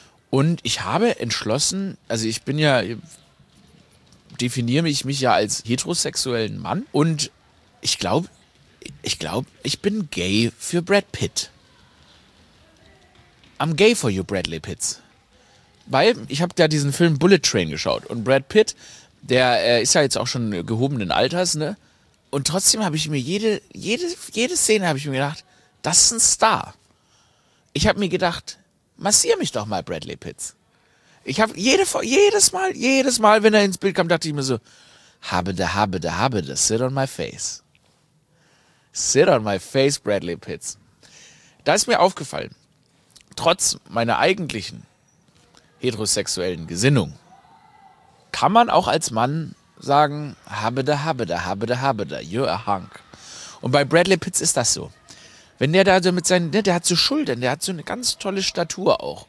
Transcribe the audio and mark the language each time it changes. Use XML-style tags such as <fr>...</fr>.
<de>Und ich habe entschlossen, also ich bin ja, definiere ich mich ja als heterosexuellen Mann und ich glaube, ich bin gay für Brad Pitt.</de> <en>I'm gay for you, Bradley Pitt.</en> <de>Weil ich habe da diesen Film Bullet Train geschaut und Brad Pitt, der ist ja jetzt auch schon gehobenen Alters, ne? Und trotzdem habe ich mir jede Szene habe ich mir gedacht, das ist ein Star. Ich habe mir gedacht, massier mich doch mal, Bradley Pitt. Ich habe jedes Mal, wenn er ins Bild kam, dachte ich mir so, habe da,</de> <en>sit on my face. Sit on my face, Bradley Pitts.</en> <de>Da ist mir aufgefallen, trotz meiner eigentlichen heterosexuellen Gesinnung, kann man auch als Mann sagen, habe da,</de> <en>you're a hunk.</en> <de>Und bei Bradley Pitts ist das so. Wenn der da so mit seinen, der hat so Schultern, der hat so eine ganz tolle Statur auch.</de>